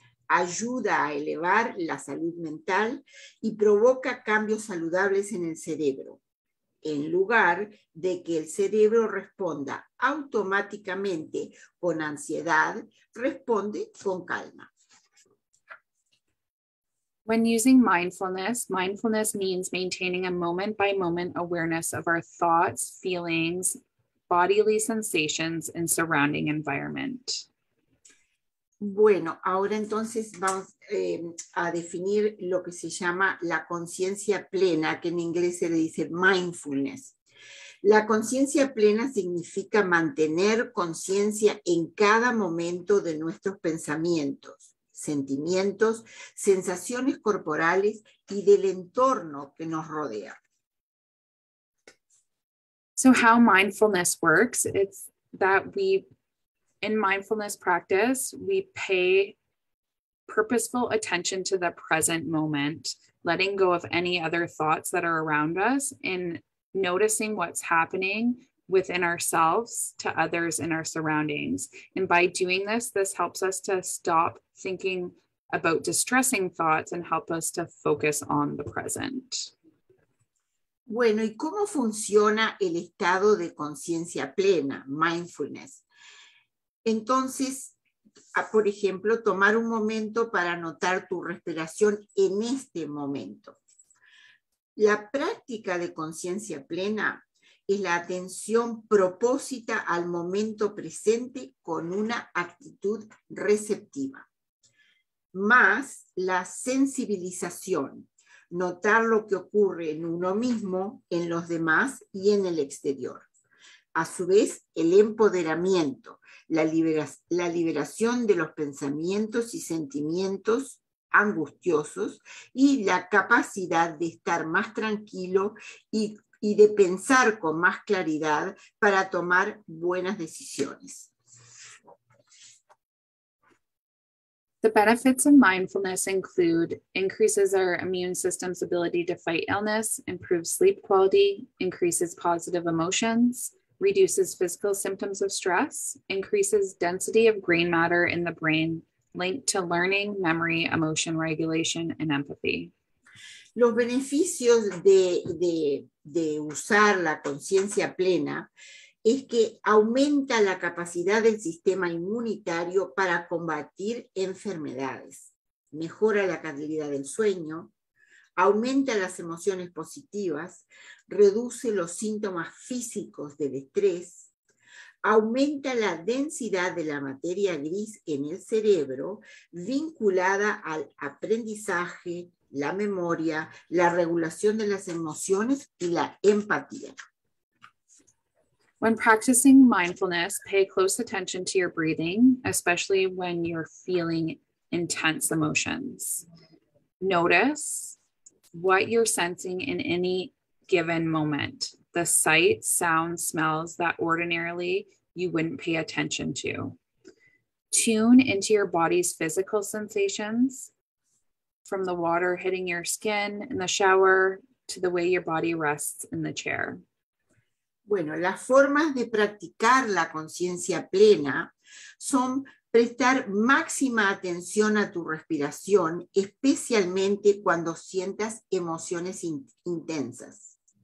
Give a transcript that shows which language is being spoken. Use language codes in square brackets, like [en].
[es] Ayuda a elevar la salud mental y provoca cambios saludables en el cerebro, en lugar de que el cerebro responda automáticamente con ansiedad, responde con calma. [en] When using mindfulness means maintaining a moment-by-moment awareness of our thoughts, feelings, bodily sensations, and surrounding environment. [es] Bueno, ahora entonces vamos a definir lo que se llama la conciencia plena, que en inglés se le dice mindfulness. La conciencia plena significa mantener conciencia en cada momento de nuestros pensamientos, sentimientos, sensaciones corporales y del entorno que nos rodea. [en] So how mindfulness works, it's that we, in mindfulness practice, we pay purposeful attention to the present moment, letting go of any other thoughts that are around us and noticing what's happening within ourselves to others in our surroundings. And by doing this, this helps us to stop thinking about distressing thoughts and help us to focus on the present. [es] Bueno, ¿y cómo funciona el estado de conciencia plena, mindfulness? Entonces, por ejemplo, tomar un momento para notar tu respiración en este momento. La práctica de conciencia plena es la atención propósita al momento presente con una actitud receptiva, más la sensibilización. Notar lo que ocurre en uno mismo, en los demás y en el exterior. A su vez, el empoderamiento, la liberación de los pensamientos y sentimientos angustiosos y la capacidad de estar más tranquilo y de pensar con más claridad para tomar buenas decisiones. [en] The benefits of mindfulness include increases our immune system's ability to fight illness, improves sleep quality, increases positive emotions, reduces physical symptoms of stress, increases density of gray matter in the brain linked to learning, memory, emotion regulation, and empathy. [es] Los beneficios de usar la conciencia plena es que aumenta la capacidad del sistema inmunitario para combatir enfermedades, mejora la calidad del sueño, aumenta las emociones positivas, reduce los síntomas físicos del estrés, aumenta la densidad de la materia gris en el cerebro vinculada al aprendizaje, la memoria, la regulación de las emociones y la empatía. [en] When practicing mindfulness, pay close attention to your breathing, especially when you're feeling intense emotions. Notice what you're sensing in any given moment, the sights, sounds, smells that ordinarily you wouldn't pay attention to. Tune into your body's physical sensations, from the water hitting your skin in the shower to the way your body rests in the chair. [es] Bueno, las formas de practicar la conciencia plena son prestar máxima atención a tu respiración, especialmente cuando sientas emociones intensas.